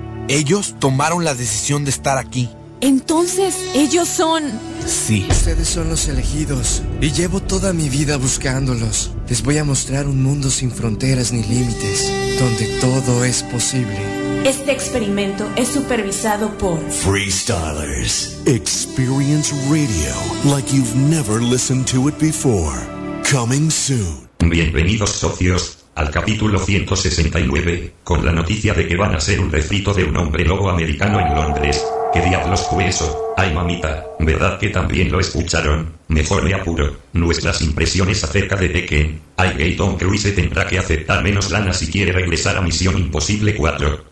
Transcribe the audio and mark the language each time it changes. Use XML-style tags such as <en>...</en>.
<es>Ellos tomaron la decisión de estar aquí. Entonces, ellos son... Sí. Ustedes son los elegidos. Y llevo toda mi vida buscándolos. Les voy a mostrar un mundo sin fronteras ni límites, donde todo es posible. Este experimento es supervisado por...</es> <en>Freestylers. Experience radio like you've never listened to it before. Coming soon.</en> <es>Bienvenidos, socios, al capítulo 169, con la noticia de que van a ser un refrito de un hombre lobo americano en Londres. ¿Qué diablos fue eso? Ay, mamita, ¿verdad que también lo escucharon? Mejor me apuro. Nuestras impresiones acerca de Tekken. Ay, gay Tom Cruise tendrá que aceptar menos lana si quiere regresar a Misión Imposible 4.</es>